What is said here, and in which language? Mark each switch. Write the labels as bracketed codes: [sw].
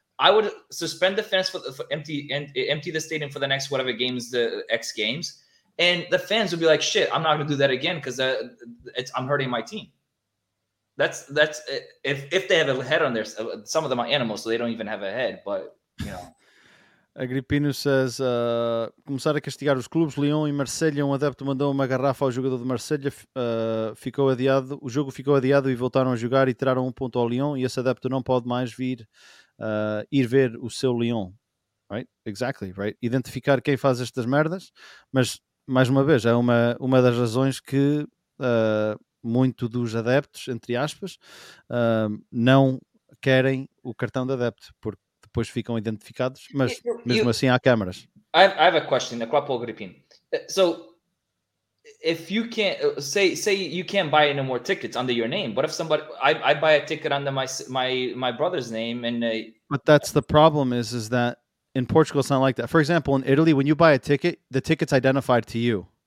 [en] I would suspend the fans for empty the stadium for the next whatever games, the X games, and the fans would be like, "Shit, I'm not gonna do that again because I'm hurting my team." That's if they have a head on their, some of them are animals, so they don't even have a head. But you know, [pt] Agrippino [en] says, [pt] "Começar a castigar os clubes, Lyon e Marselha. Um adepto mandou uma garrafa ao jogador de Marselha. Ficou adiado. O jogo ficou adiado e voltaram a jogar e tiraram um ponto ao Lyon. E esse adepto não pode mais vir." Ir ver o seu leão, [en] right? Exactly, right? [pt] Identificar quem faz estas merdas, mas mais uma vez, é uma das razões que muito dos adeptos, entre aspas, não querem o cartão de adepto, porque depois ficam identificados, mas mesmo assim há câmaras. [en] I have a question, a couple of gripping. So, if you can't say you can't buy any more tickets under your name, but if somebody I buy a ticket under my brother's name and but that's the problem is that in Portugal it's not like that. For example, in Italy, when you buy a ticket, the ticket's identified to you.